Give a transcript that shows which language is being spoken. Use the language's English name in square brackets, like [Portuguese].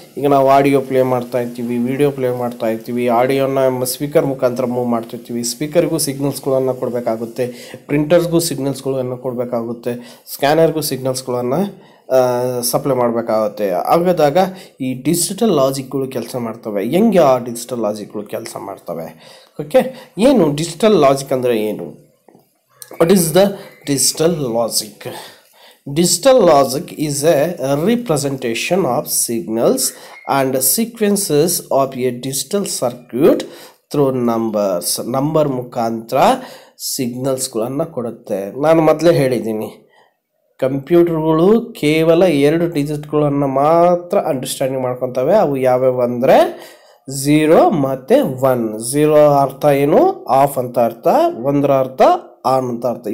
[Kannada] ಈಗ ನಾವು audio play ಮಾಡ್ತಾಯಿರ್ತೀವಿ, ವಿಡಿಯೋ ಪ್ಲೇ ಮಾಡ್ತಾಯಿರ್ತೀವಿ, ಆಡಿಯೋನ ಸ್ಪೀಕರ್ ಮುಖಾಂತರ ಮೂವ್ ಮಾಡ್ತಿರ್ತೀವಿ, ಸ್ಪೀಕರ್ಗೂ ಸಿಗ್ನಲ್ಸ್ಗಳನ್ನು ಕೊಡಬೇಕಾಗುತ್ತೆ, ಪ್ರಿಂಟರ್ಸ್ಗೂ ಸಿಗ್ನಲ್ಸ್ಗಳನ್ನು ಕೊಡಬೇಕಾಗುತ್ತೆ, ಸ್ಕ್ಯಾನರ್ಗೂ ಸಿಗ್ನಲ್ಸ್ಗಳನ್ನು ಸಪ್ಲೈ ಮಾಡಬೇಕಾಗುತ್ತೆ. ಆಗದಾಗ ಈ ಡಿಜಿಟಲ್ ಲಾಜಿಕ್ಗಳು ಕೆಲಸ ಮಾಡ್ತವೆ. ಹೆಂಗೆ ಆ ಡಿಜಿಟಲ್ ಲಾಜಿಕ್ಗಳು ಕೆಲಸ ಮಾಡ್ತವೆ, ಓಕೆ, ಏನು ಡಿಜಿಟಲ್ ಲಾಜಿಕ್ ಅಂದರೆ ಏನು, [English] What is the digital logic. Digital logic is a representation of signals and sequences of a digital circuit through numbers. [Kannada] Number ಮುಖಾಂತರ ಸಿಗ್ನಲ್ಸ್ಗಳನ್ನು ಕೊಡುತ್ತೆ. ನಾನು ಮೊದಲೇ ಹೇಳಿದ್ದೀನಿ, ಕಂಪ್ಯೂಟರ್ಗಳು ಕೇವಲ 2 ಡಿಜಿಟ್ಗಳನ್ನು ಮಾತ್ರ ಅಂಡರ್ಸ್ಟ್ಯಾಂಡಿಂಗ್ ಮಾಡ್ಕೊತವೆ. ಅವು ಯಾವ್ಯಾವ ಅಂದರೆ 0 ಮತ್ತು 1. 0 ಅರ್ಥ ಏನು, ಆಫ್ ಅಂತ ಅರ್ಥ, 1 ಅರ್ಥ ಆನ್ ಅಂತ ಅರ್ಥ.